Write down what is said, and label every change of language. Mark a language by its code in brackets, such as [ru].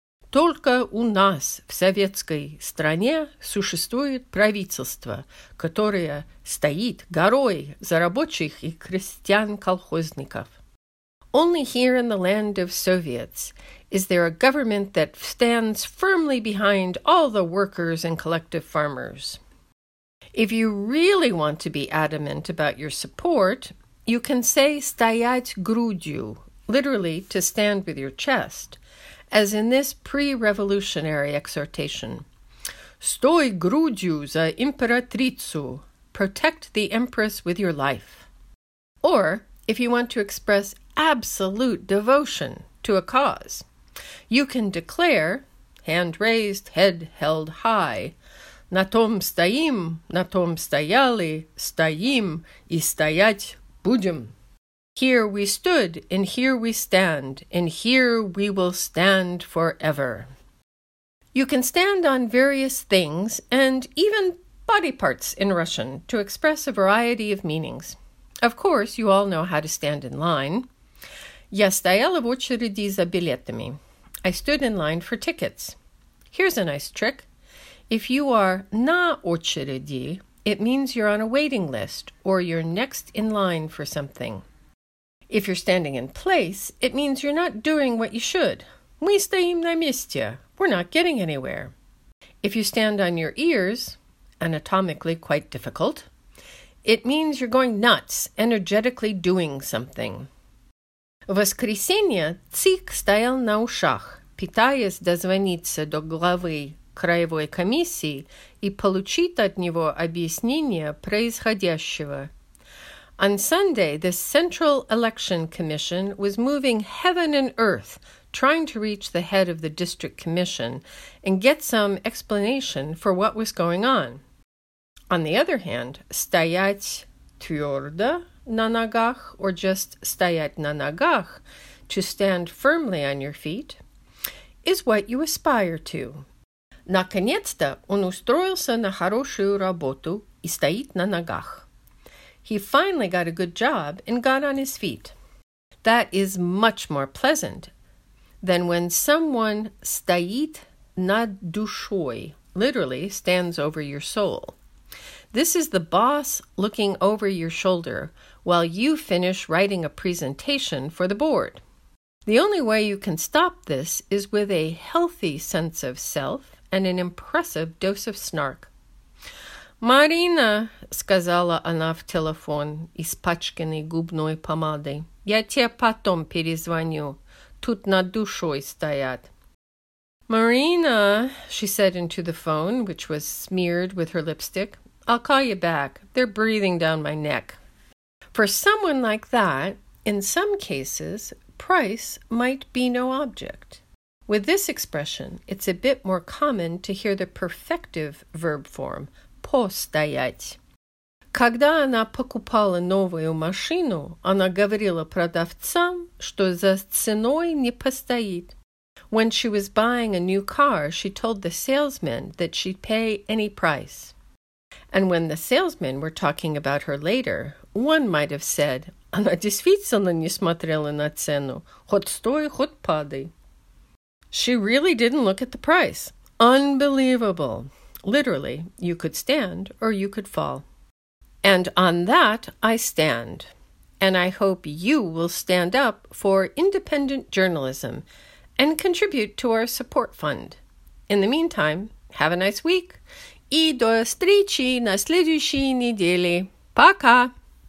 [ru] Только у нас в советской стране существует правительство, которое стоит горой за рабочих и крестьян-колхозников. [en] Only here in the land of Soviets is there a government that stands firmly behind all the workers and collective farmers. If you really want to be adamant about your support, you can say [ru] стоять грудью, [en] literally to stand with your chest, as in this pre-revolutionary exhortation. [ru] Стой грудью за императрицу. [en] Protect the empress with your life. Or, if you want to express absolute devotion to a cause, you can declare, hand raised, head held high, [ru] На том стоим, на том стояли, стоим и стоять будем. [en] Here we stood, and here we stand, and here we will stand forever. You can stand on various things, and even body parts in Russian, to express a variety of meanings. Of course, you all know how to stand in line. [ru] Я стояла в очереди за билетами. [en] I stood in line for tickets. Here's a nice trick. If you are [ru] на очереди, [en] it means you're on a waiting list, or you're next in line for something. If you're standing in place, it means you're not doing what you should. [ru] Мы стоим на месте. [en] We're not getting anywhere. If you stand on your ears, anatomically quite difficult, it means you're going nuts, energetically doing something. [ru] Воскресенье ЦИК стоял на ушах, пытаясь дозвониться до главы краевой комиссии и получить от него объяснение происходящего. [en] On Sunday, the Central Election Commission was moving heaven and earth, trying to reach the head of the district commission and get some explanation for what was going on. On the other hand, [ru] стоять твердо на ногах, [en] or just [ru] стоять на ногах, [en] to stand firmly on your feet, is what you aspire to. [ru] Наконец-то он устроился на хорошую работу и стоит на ногах. [en] He finally got a good job and got on his feet. That is much more pleasant than when someone [ru] стоит над душой, [en] literally stands over your soul. This is the boss looking over your shoulder while you finish writing a presentation for the board. The only way you can stop this is with a healthy sense of self and an impressive dose of snark. [ru] Марина, сказала она в телефон, испачканной губной помадой. Я тебе потом перезвоню. Тут над душой стоят. [en] Марина, she said into the phone, which was smeared with her lipstick, I'll call you back. They're breathing down my neck. For someone like that, in some cases, price might be no object. With this expression, it's a bit more common to hear the perfective verb form, постоять. [ru] Когда она покупала новую машину, она говорила продавцам, что за ценой не постоит. [en] When she was buying a new car, she told the salesman that she'd pay any price. And when the salesmen were talking about her later, one might have said, [ru] она действительно не смотрела на цену, хоть стой, хоть падай. [en] She really didn't look at the price. Unbelievable. Literally, you could stand or you could fall. And on that, I stand. And I hope you will stand up for independent journalism and contribute to our support fund. In the meantime, have a nice week. [ru] И до встречи на следующей неделе. Пока!